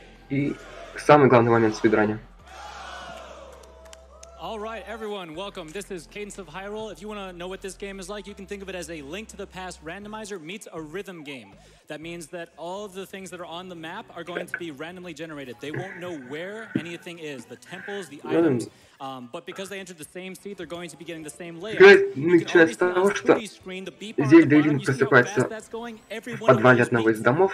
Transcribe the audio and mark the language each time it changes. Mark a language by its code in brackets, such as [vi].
[ru] И самый главный момент спидраня. [en] Alright, everyone, welcome. This is Cadence of Hyrule. If you want to know what this game is like, you can think of it as a Link to the Past randomizer meets a rhythm game. That means that all of the things that are on the map are going to be randomly generated. They won't know where anything is, the temples, the items. But because they entered the same seat, they're going to be getting the same layer. [ru] Здесь Дейлин просыпается в подвале одного из домов.